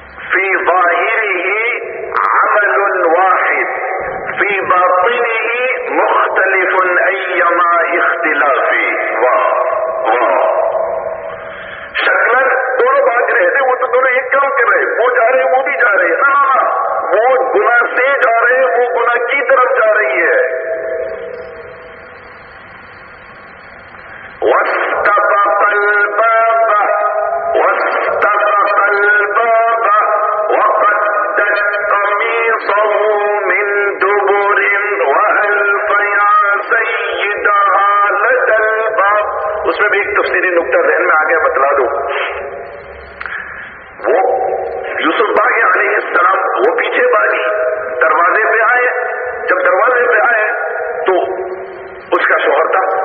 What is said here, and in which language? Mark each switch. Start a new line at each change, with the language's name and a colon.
Arabic: فی ظاہرہ عمل واحد فی باطنہ مختلف ایما اختلافی.
Urdu: واہ واہ, شکلن دونوں بھاگ رہے تھے, وہ تو دونوں ایک کام کر رہے, وہ جا رہے وہ بھی جا رہے ہیں, ہاں وہ گناہ سے جا رہے ہیں, وہ گناہ کی طرف جا رہی ہے.
Arabic: واستبق الباب واستبق الباب وقدت قميصه من دبر وألف يا سيدها لدى الباب.
Urdu: اس میں بھی ایک تفصیلی نقطہ ذہن میں آ گیا, بتلا دو. وہ یوسف باغی علیہ السلام وہ پیچھے باغی دروازے پہ آئے, جب دروازے پہ آئے تو اس کا شوہر تھا,